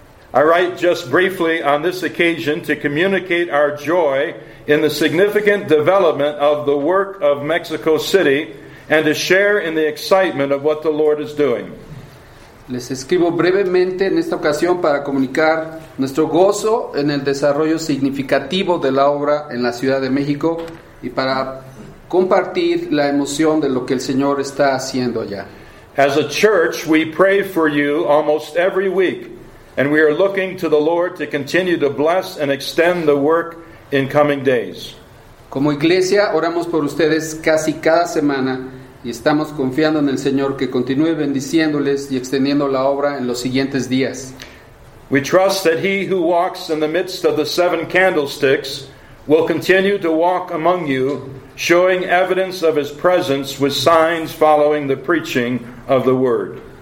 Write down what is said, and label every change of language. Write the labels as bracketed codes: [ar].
[en] I write just briefly on this occasion to communicate our joy in the significant development of the work of Mexico City and to share in the excitement of what the Lord is doing. [es] Les escribo brevemente en esta ocasión para comunicar nuestro gozo en el desarrollo significativo de la obra en la Ciudad de México y para compartir la emoción de lo que el Señor está haciendo allá. [en] As a church, we pray for you almost every week, and we are looking to the Lord to continue to bless and extend the work in coming days. [es] Como iglesia, oramos por ustedes casi cada semana, y estamos confiando en el Señor que continúe bendiciéndoles y extendiendo la obra en los siguientes días. [en] We trust that He who walks in the midst of the seven candlesticks will continue to walk among you, showing evidence of His presence with signs following the preaching of the Word.